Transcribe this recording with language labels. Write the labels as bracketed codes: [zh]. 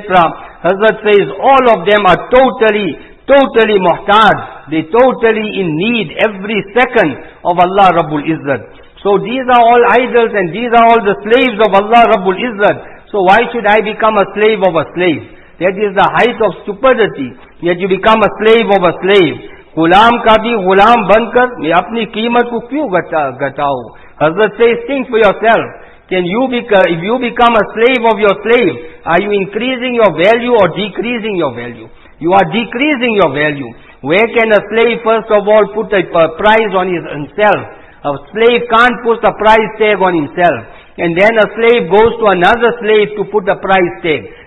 [en] Hazrat says all of them are totally, totally muhtaj. They totally in need every second of Allah Rabbul Izzat. So these are all idols and these are all the slaves of Allah Rabbul Izzat. So why should I become a slave of a slave? That is the height of stupidity, that you become a slave of a slave. [ur] Ghulam کا بھی غلام بن کر میں اپنی قیمت کو کیوں گھٹاؤں. [en] Hazrat says, think for yourself. Can you become, if you become a slave of your slave, are you increasing your value or decreasing your value? You are decreasing your value. Where can a slave first of all put a price on himself? A slave can't put a price tag on himself. And then a slave goes to another slave to put a price tag.